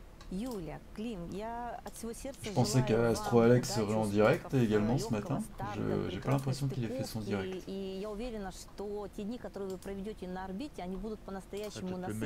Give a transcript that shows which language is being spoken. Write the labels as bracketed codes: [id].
[ru] Юля, Клим, я от всего сердца [fr] Je pensais qu'Astro Alex serait en direct également ce matin. J'ai pas l'impression qu'il ait fait son direct. [ru] И я уверена, что те дни, которые вы проведете на орбите, они будут по-настоящему